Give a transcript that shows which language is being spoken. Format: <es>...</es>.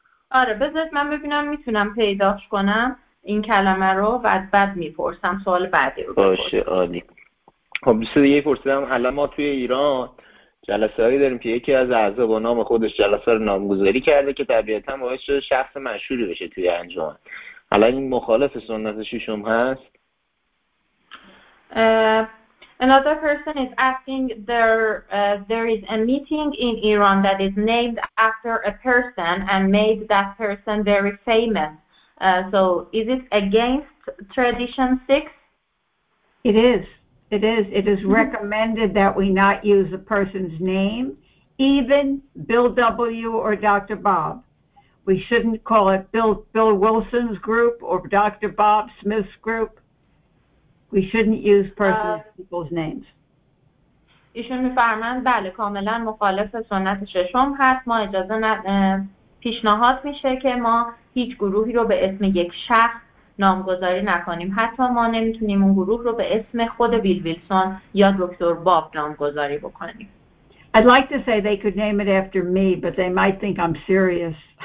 <fa>آره بذارید من ببینم میتونم پیداش کنم این کلمه رو و بعد میپرسم سوال بعدی رو. باشه عالی. خب دوست دیگه پرسیدم الان ما توی ایران جلسه هایی داریم که یکی از اعضا با نام خودش جلسه رو نامگذاری کرده که طبیعتا باعث شده شخص مشهوری بشه توی انجمن. الان این مخالف سنت ششم هست.</fa> <en>Another person is asking there is a meeting in Iran that is named after a person and made that person very famous. So is it against tradition six? It is. It is. It is recommended that we not use a person's name, even Bill W. or Dr. Bob. We shouldn't call it Bill Wilson's group or Dr. Bob Smith's group. We shouldn't use people's names.</en> <fa>ایشون میفرمایند بله کاملا مخالف سنت ششم هست. ما اجازه پیشنهاد میشه که ما هیچ گروهی رو به اسم یک شخص نامگذاری نکنیم. حتی ما نمیتونیم اون گروه رو به اسم خود ویل ویلسون یا دکتر باب نامگذاری بکنیم.</fa> <en>I'd like to say they could name it after me, but they might think I'm serious.</en>